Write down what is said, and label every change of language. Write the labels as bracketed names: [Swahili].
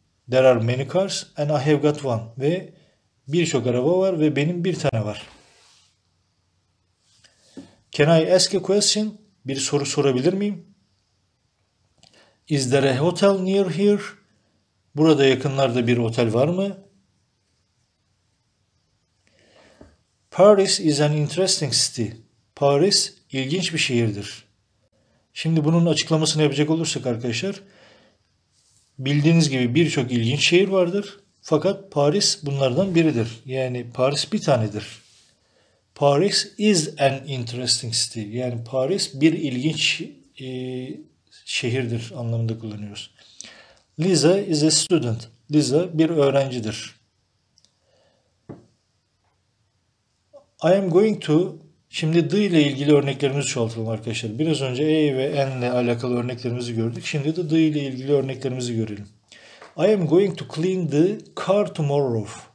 [English] There are many cars and I have got one. [Turkish] Ve birçok araba var ve benim bir tane var. [English] Can I ask a question? [Turkish] Bir soru sorabilir miyim? [English] Is there a hotel near here? [Turkish] Burada yakınlarda bir otel var mı? [English] Paris is an interesting city. [Turkish] Paris ilginç bir şehirdir. Şimdi bunun açıklamasını yapacak olursak arkadaşlar, bildiğiniz gibi birçok ilginç şehir vardır. Fakat Paris bunlardan biridir. Yani Paris bir tanedir. [English] Paris is an interesting city. [Turkish] Yani Paris bir ilginç şehirdir anlamında kullanıyoruz. [English] Lisa is a student. [Turkish] Lisa bir öğrencidir. [English] I am going to... [Turkish] Şimdi D ile ilgili örneklerimizi çoğaltalım arkadaşlar. Biraz önce A ve N ile alakalı örneklerimizi gördük. Şimdi de D ile ilgili örneklerimizi görelim. [English] I am going to clean the car tomorrow.